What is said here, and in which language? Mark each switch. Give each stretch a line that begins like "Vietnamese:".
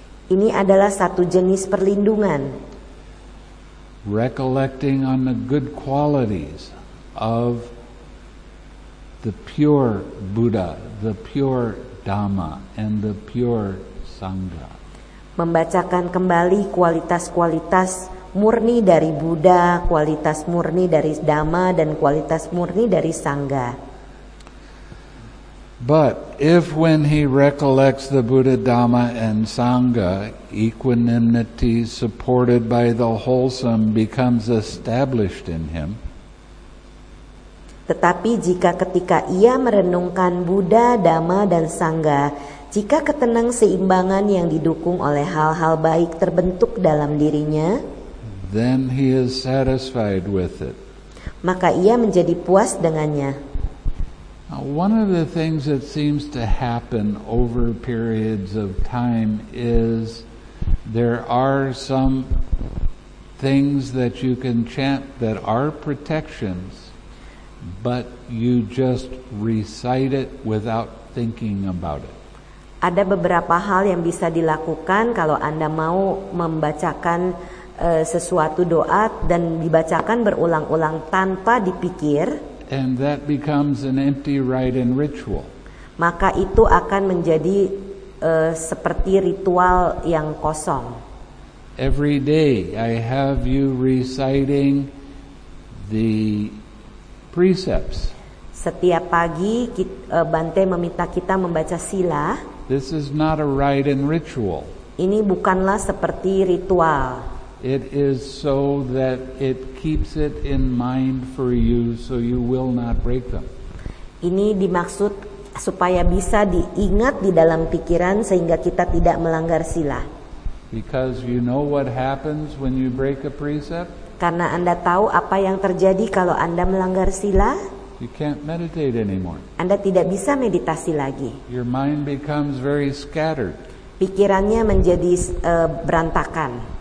Indonesian: Ini adalah satu jenis perlindungan.
English: Recollecting on the good qualities of the pure Buddha, the pure Dhamma, and the pure Sangha.
Indonesian: Membacakan kembali kualitas-kualitas murni dari Buddha, kualitas murni dari Dhamma, dan kualitas murni dari Sangha.
English: But if when he recollects the Buddha, Dhamma, and Sangha, equanimity supported by the wholesome becomes established in him.
Indonesian: Tetapi jika ketika ia merenungkan Buddha, Dhamma, dan Sangha, jika ketenang seimbangan yang didukung oleh hal-hal baik terbentuk dalam dirinya,
English: then he is satisfied with it.
Indonesian: Maka ia menjadi puas dengannya.
English: Now, one of the things that seems to happen over periods of time is there are some things that you can chant that are protections, but you just recite it without thinking about it.
Indonesian: Ada beberapa hal yang bisa dilakukan kalau Anda mau membacakan sesuatu doa dan dibacakan berulang-ulang tanpa dipikir,
English: and that becomes an empty rite and ritual.
Indonesian: Maka itu akan menjadi seperti ritual yang kosong.
English: Every day I have you reciting the precepts.
Indonesian: Setiap pagi Bante meminta kita membaca sila.
English: This is not a rite and ritual.
Indonesian: Ini bukanlah seperti ritual.
English: It is so that it keeps it in mind for you, so you will not break them.
Indonesian: Ini dimaksud supaya bisa diingat di dalam pikiran sehingga kita tidak melanggar sila.
English: Because you know what happens when you break a precept?
Indonesian: Karena Anda tahu apa yang terjadi kalau Anda melanggar sila.
English: You can't meditate anymore.
Indonesian: Anda tidak bisa meditasi lagi.
English: Your mind becomes very scattered.
Indonesian: Pikirannya menjadi berantakan.